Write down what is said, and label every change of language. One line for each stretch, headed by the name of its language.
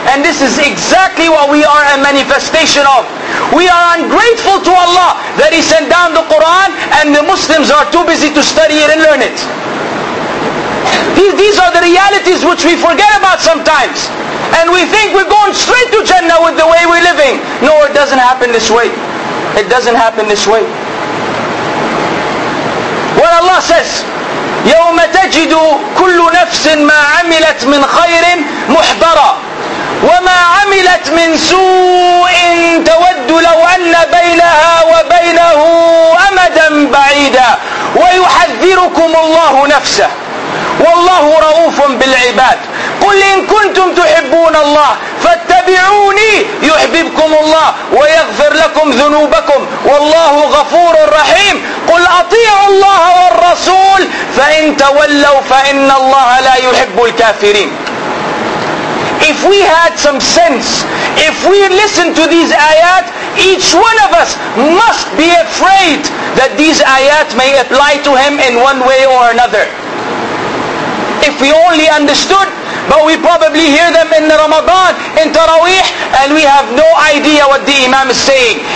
English: And this is exactly what we are a manifestation of. We are ungrateful to Allah that He sent down the Quran, and the Muslims are too busy to study it and learn it. These are the realities which we forget about sometimes. And we think we're going straight to Jannah with the way we're living. No, it doesn't happen this way. It doesn't happen this way.
Arabic: What Allah says, يَوْمَ تَجِدُ كُلُّ نَفْسٍ مَا عَمِلَتْ مِنْ خَيْرٍ مُحْضَرًا وَمَا عَمِلَتْ مِنْ سُوءٍ تَوَدُّ لَوْ أَنَّ بَيْنَهَا وَبَيْنَهُ أَمَدًا بَعِيدًا وَيُحَذِّرُكُمُ اللَّهُ نَفْسَهُ والله رؤوف بالعباد قل إن كنتم تحبون الله فاتبعوني يحببكم الله ويغفر لكم ذنوبكم والله غفور رحيم قل أطيعوا الله والرسول فإن تولوا فإن الله لا يحب الكافرين.
English: If we had some sense, if we listen to these ayat, each one of us must be afraid that these ayat may apply to him in one way or another. If we only understood, but we probably hear them in the Ramadan, in Taraweeh, and we have no idea what the Imam is saying.